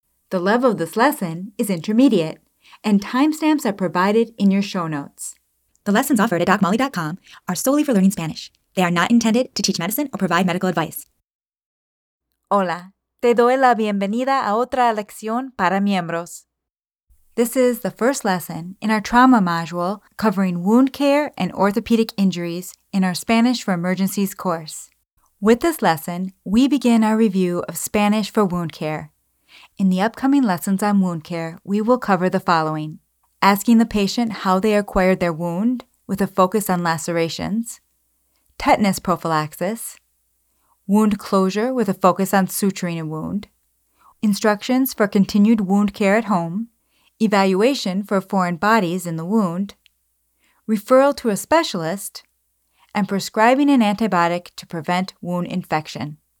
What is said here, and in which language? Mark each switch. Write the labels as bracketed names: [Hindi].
[English] The level of this lesson is intermediate, and timestamps are provided in your show notes. The lessons offered at DocMolly.com are solely for learning Spanish. They are not intended to teach medicine or provide medical advice. [Spanish] Hola, te doy la bienvenida a otra lección para miembros. [English] This is the first lesson in our trauma module covering wound care and orthopedic injuries in our Spanish for Emergencies course. With this lesson, we begin our review of Spanish for wound care. In the upcoming lessons on wound care, we will cover the following: asking the patient how they acquired their wound with a focus on lacerations, tetanus prophylaxis, wound closure with a focus on suturing a wound, instructions for continued wound care at home, evaluation for foreign bodies in the wound, referral to a specialist, and prescribing an antibiotic to prevent wound infection.